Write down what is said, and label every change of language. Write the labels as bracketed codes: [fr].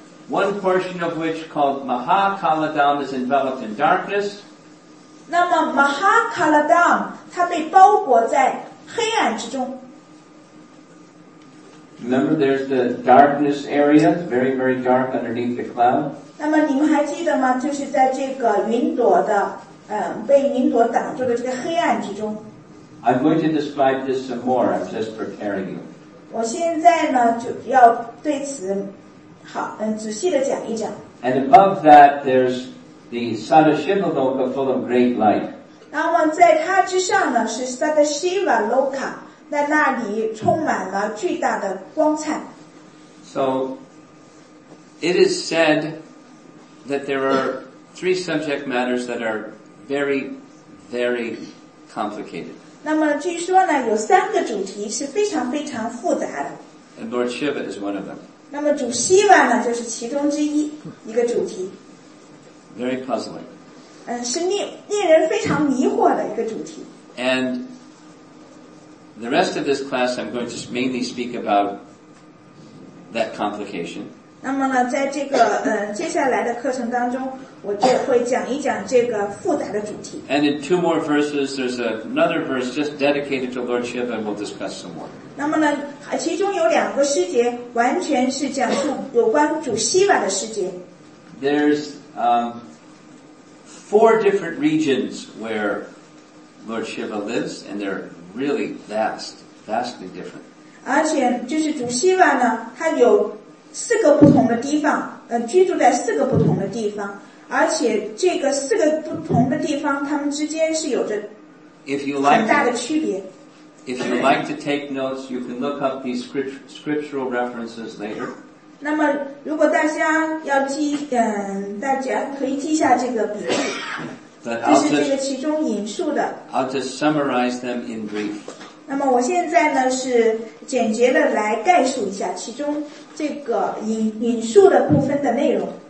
[en] One portion of which called Mahakaladam is enveloped in darkness. [zh] 那么 Mahakaladam 它被包裹在黑暗之中。 [en] Remember there's the darkness area, very, very dark underneath the cloud. [zh] 那么你们还记得吗？就是在这个云朵的被云朵挡住的这个黑暗之中。 [en] I'm going to describe this some more. I'm just preparing you. [zh] 我现在呢就要对此仔细的讲一讲。 [en] And above that, there's the Sadashiva Loka full of great light. [zh] 那么在它之上呢是 Sadashiva Loka, 在那里充满了巨大的光彩。 [en] So, it is said that there are three subject matters that are very, very complicated. [zh] 那么据说呢有三个主题是非常非常复杂的。 [en] And Lord Shiva is one of them. [zh] 那么主希瓦呢就是其中之一一个主题。 [en] Very puzzling. [zh] 是 令人非常迷惑的一个主题。 [en] And the rest of this class I'm going to mainly speak about that complication. [zh] 那么呢在这个接下来的课程当中我就会讲一讲这个复杂的主题。 [en] And in two more verses, there's another verse just dedicated to Lord Shiva and we'll discuss some more. [zh] 那么呢其中有两个诗节完全是讲述有关主希瓦的诗节。 [en] There's, four different regions where Lord Shiva lives and they're really vast, vastly different. [zh] 而且就是主希瓦呢他有四个不同的地方居住在四个不同的地方而且这个四个不同的地方他们之间是有着很大的区别 [en] if you like to take notes you can look up these scriptural references later [zh] 那么如果大家要记大家可以记下这个笔记这是这个其中引述的 [en] I'll just summarize them in brief [zh] 那么我现在呢是简洁的来概述一下其中这个 引述的部分的内容。